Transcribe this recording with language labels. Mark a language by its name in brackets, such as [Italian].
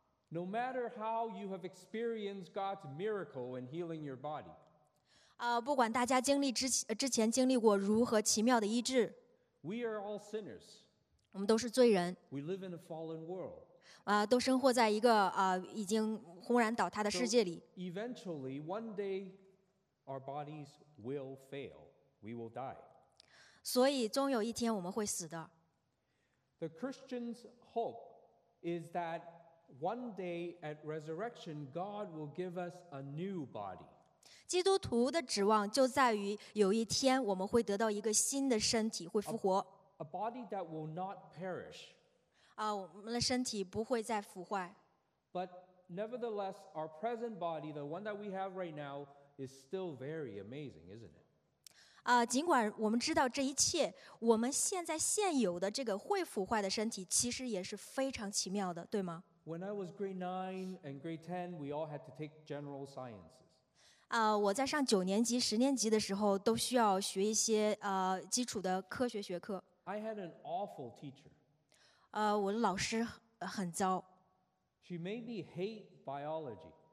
[English] No matter how you have experienced God's miracle in healing your body. [Chinese] 不管大家经历之前经历过如何奇妙的医治 [English] ，We are all sinners. [Chinese] 我们都是罪人。 [English] We live in a fallen world. [Chinese] 都生活在一个已经轰然倒塌的世界里。 [English] So、eventually, one day, Our bodies will fail. We will die. [Chinese] 所以终有一天我们会死的。 [English] The Christian's hope is that one day at resurrection, God will give us a new body. [Chinese] 基督徒的指望就在于有一天我们会得到一个新的身体，会复活。 [English] A body that will not perish. [Chinese] 啊，我们的身体不会再腐坏。 [English] But nevertheless, our present body, the one that we have right now, is still very amazing, isn't it? [Chinese] 啊，尽管我们知道这一切，我们现在现有的这个会腐坏的身体，其实也是非常奇妙的，对吗？ [English] When I was grade 9 and grade 10, we all had to take general sciences. [Chinese] 我在上九年级、十年级的时候，都需要学一些基础的科学学科。 [English] I had an awful teacher. [Chinese] 我的老师很糟。 [English] She made me hate biology.